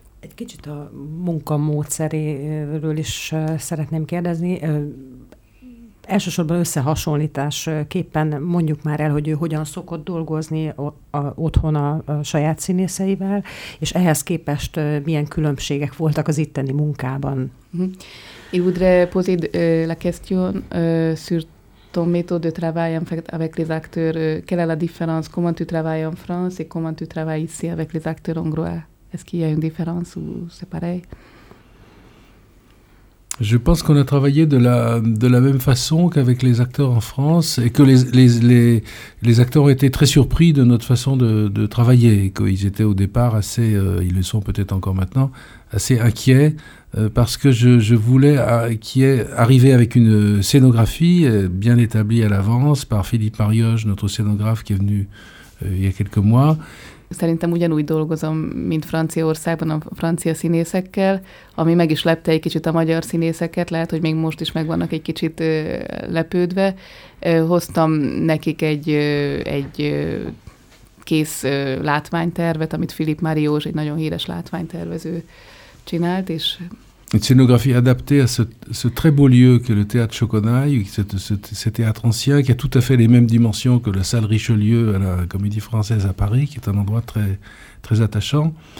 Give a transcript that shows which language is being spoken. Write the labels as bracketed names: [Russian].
[Hungarian] Egy kicsit a munkamódszeréről is szeretném kérdezni. Elsősorban összehasonlításképpen mondjuk már el, hogy ő hogyan szokott dolgozni otthon a saját színészeivel, és ehhez képest milyen különbségek voltak az itteni munkában. [French] Én voudrais poser la question sur ton méthode de travail avec les acteurs. Quelle est la différence? Comment tu travailles en France et comment tu travailles ici avec les acteurs hongrois? Est-ce qu'il y a une différence ou c'est pareil? Je pense qu'on a travaillé de la même façon qu'avec les acteurs en France et que les acteurs ont été très surpris de notre façon de travailler. Qu'ils étaient au départ assez, ils le sont peut-être encore maintenant, assez inquiets parce que je voulais arriver avec une scénographie bien établie à l'avance par Philippe Marioche, notre scénographe qui est venu il y a quelques mois. [Hungarian] Szerintem ugyanúgy dolgozom, mint Franciaországban a francia színészekkel, ami meg is lepte egy kicsit a magyar színészeket, lehet, hogy még most is meg vannak egy kicsit lepődve. Hoztam nekik egy kész látványtervet, amit Philippe Marioche, egy nagyon híres látványtervező csinált, és... [French] Une scénographie adaptée à ce très beau lieu qu'est le théâtre Choconnaï, ce théâtre ancien qui a tout à fait les mêmes dimensions que la salle Richelieu à la Comédie-Française à Paris, qui est un endroit très, très attachant.